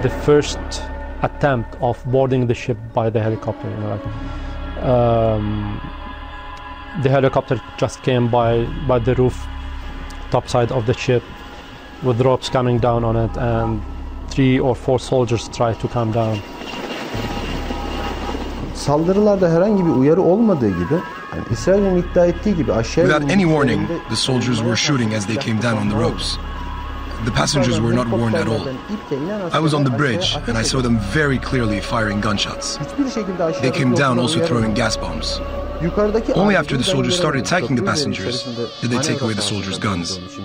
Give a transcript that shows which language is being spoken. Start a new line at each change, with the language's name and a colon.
English: The first attempt of boarding the ship by the helicopter, you know, like, the helicopter just came by the roof, top side of the ship, with ropes coming down on it, and three or four soldiers tried to come down.
Turkish: Saldırılarda herhangi bir uyarı olmadığı gibi, İsrail'in iddia ettiği gibi aşağı.
English: Without any warning, the soldiers were shooting as they came down on the ropes. The passengers were not warned at all. I was on the bridge and I saw them very clearly firing gunshots. They came down also throwing gas bombs. Only after the soldiers started attacking the passengers did they take away the soldiers' guns.